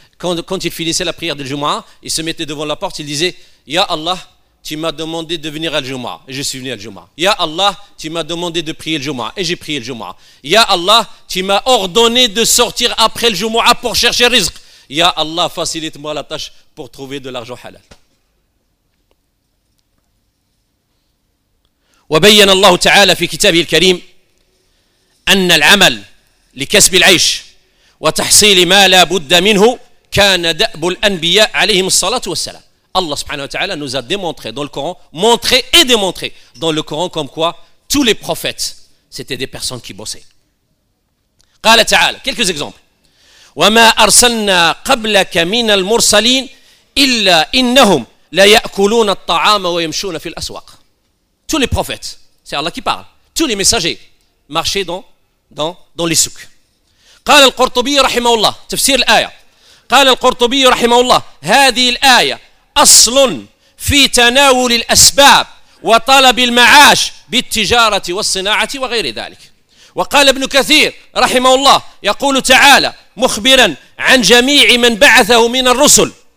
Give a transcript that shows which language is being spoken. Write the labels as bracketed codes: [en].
[fr] Quand il finissait la prière de Jumu'ah, il se mettait devant la porte, il disait, Ya Allah, tu m'as demandé de venir à Jumu'ah, et je suis venu à Jumu'ah. Ya Allah, tu m'as demandé de prier le Jumu'ah, et j'ai prié le Jumu'ah. Ya Allah, tu m'as ordonné de sortir après le Jumu'ah pour chercher rizq. Ya Allah, facilite-moi la tâche pour trouver de l'argent halal. [ar] وبين الله تعالى في كتابه الكريم أن العمل لكسب العيش وتحصيل ما لا بد منه كان دأب الأنبياء عليهم الصلاة والسلام. الله سبحانه وتعالى [fr] nous a démontré dans le Coran, montré et démontré dans le Coran comme quoi tous les prophètes c'était des personnes qui bossaient. [ar] قال تعالى, [fr] quelques exemples. [ar] وما أرسلنا قبلك من المرسلين إلا إنهم لا يأكلون الطعام ويمشون في الأسواق. [fr] Tous les prophètes, c'est Allah qui parle, tous les messagers marchaient dans les souks. [ar] قال القرطبي رحمه الله, تفسير الآية. قال القرطبي رحمه الله, هذه الآية أصل في تناول الأسباب وطلب المعاش بالتجارة والصناعة وغير ذلك. وقال ابن كثير رحمه الله, يقول تعالى مخبرا عن جميع من بعثه من الرسل